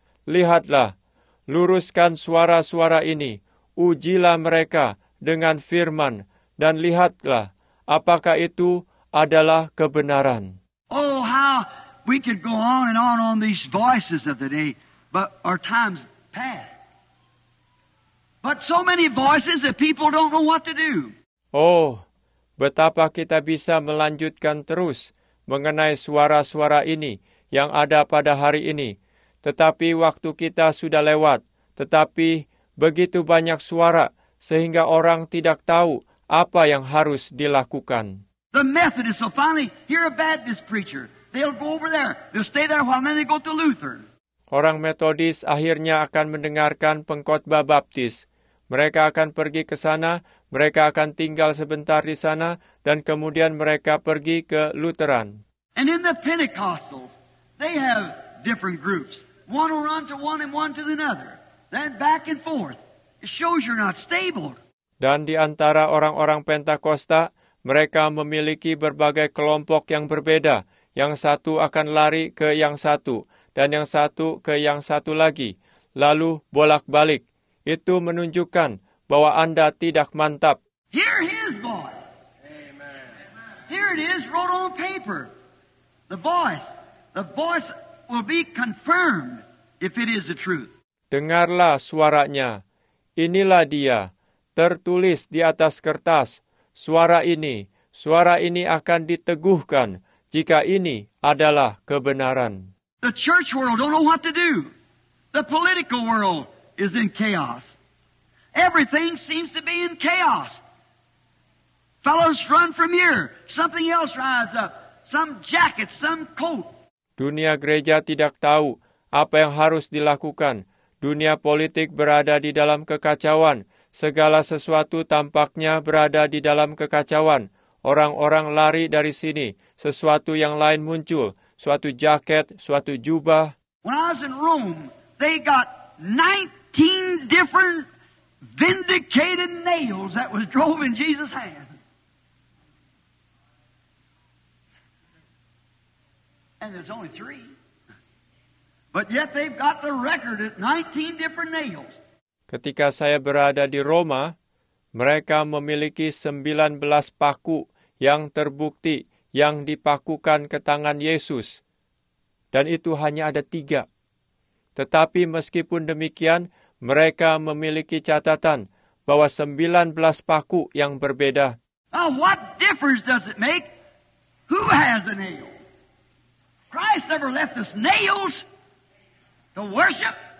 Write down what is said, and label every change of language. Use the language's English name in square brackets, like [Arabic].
[Indonesian] Lihatlah, luruskan suara-suara ini, ujilah mereka dengan firman, dan lihatlah apakah itu adalah kebenaran. [English] Oh, how we could go on these voices of the day, but our time's past. But so many voices that people don't know what to do. [Indonesian] Oh, betapa kita bisa melanjutkan terus mengenai suara-suara ini yang ada pada hari ini. Tetapi waktu kita sudah lewat. Tetapi begitu banyak suara sehingga orang tidak tahu apa yang harus dilakukan. [English] The Methodists will finally hear a Baptist preacher. They'll go over there. They'll stay there while then they go to Lutheran. [Indonesian] Orang Metodis akhirnya akan mendengarkan pengkhotbah Baptis. Mereka akan pergi ke sana, mereka akan tinggal sebentar di sana, dan kemudian mereka pergi ke Lutheran. [English] And in the Pentecostals, they have different groups. One will run to one and one to another. Then back and forth. It shows you're not stable. [Indonesian] Dan di antara orang-orang Pentakosta, mereka memiliki berbagai kelompok yang berbeda. Yang satu akan lari ke yang satu. Dan yang satu ke yang satu lagi, lalu bolak-balik. Itu menunjukkan bahwa Anda tidak mantap. [English] Hear his voice. Amen. Here it is, wrote on paper. The voice will be confirmed if it is the truth. [Indonesian] Dengarlah suaranya. Inilah dia, tertulis di atas kertas. Suara ini akan diteguhkan jika ini adalah kebenaran. [English] The church world don't know what to do. The political world is in chaos. Everything seems to be in chaos. Fellows run from here. Something else rises up. Some jacket, some coat. [Indonesian] Dunia gereja tidak tahu apa yang harus dilakukan. Dunia politik berada di dalam kekacauan. Segala sesuatu tampaknya berada di dalam kekacauan. Orang-orang lari dari sini. Sesuatu yang lain muncul. Suatu jaket, suatu jubah. [English] When I was in Rome, they got 19 different vindicated nails that was drove in Jesus' hand. And there's only three. But yet they've got the record at 19 different nails. [Indonesian] Ketika saya berada di Roma, mereka memiliki 19 paku yang terbukti, yang dipakukan ke tangan Yesus. Dan itu hanya ada 3. Tetapi meskipun demikian, mereka memiliki catatan bahwa 19 paku yang berbeda. [English] What difference does it make? Who has the nail? Christ never left us nails to worship.